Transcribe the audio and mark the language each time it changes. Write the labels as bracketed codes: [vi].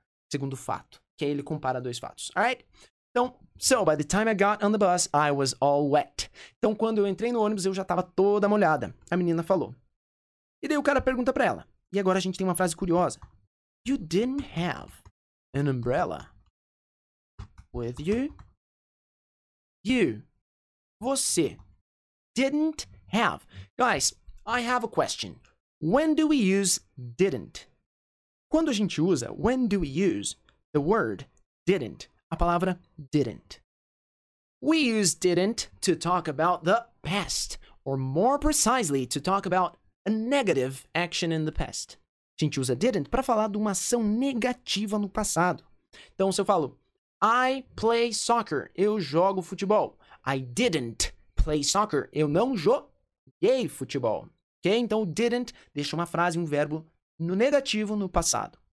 [pt] Segundo fato, que aí ele compara dois fatos, alright? [en] Então, so, by the time I got on the bus, I was all wet. [pt] Então, quando eu entrei no ônibus, eu já tava toda molhada, a menina falou. E daí o cara pergunta pra ela, e agora a gente tem uma frase curiosa. [en] You didn't have an umbrella with you? You, você, didn't have. Guys, I have a question. When do we use didn't? [pt] Quando a gente usa, [en] when do we use the word didn't, [pt] a palavra didn't? [en] We use didn't to talk about the past, or more precisely, to talk about a negative action in the past. [pt] A gente usa didn't para falar de uma ação negativa no passado. Então, se eu falo, [en] I play soccer, [pt] eu jogo futebol. [en] I didn't play soccer, [pt] eu não joguei futebol. [en] Okay? [pt] Então, didn't deixa uma frase, um verbo no negativo, no passado.